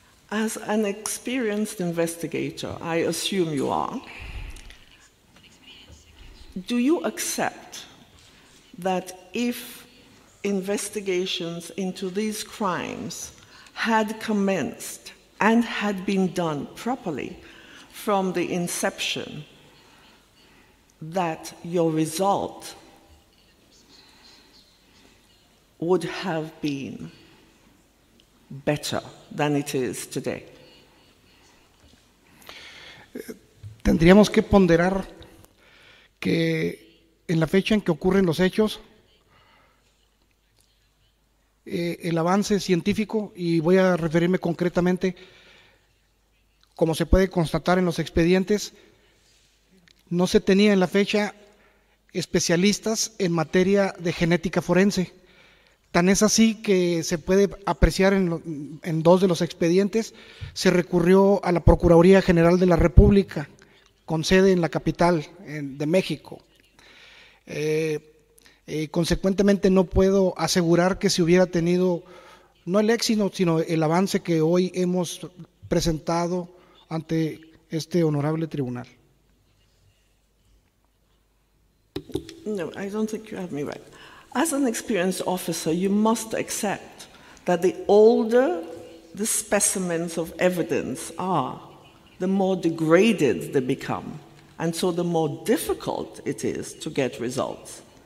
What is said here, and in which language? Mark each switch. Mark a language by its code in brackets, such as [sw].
[en] As an experienced investigator, I assume you are, do you accept that if investigations into these crimes had commenced and had been done properly from the inception, that your result would have been better than it is today? [es] Tendríamos que ponderar que en la fecha en que ocurren los hechos, el avance científico, y voy a referirme concretamente, como se puede constatar en los expedientes, no se tenía en la fecha especialistas en materia de genética forense. Tan es así que se puede apreciar en dos de los expedientes, se recurrió a la Procuraduría General de la República, con sede en la capital de México. Consecuentemente, no puedo asegurar que se hubiera tenido, no el éxito, sino el avance que hoy hemos presentado ante este honorable tribunal. [en] No, I don't think you have me right. As an experienced officer, you must accept that the older the specimens of evidence are, the more degraded they become, and so the more difficult it is to get results.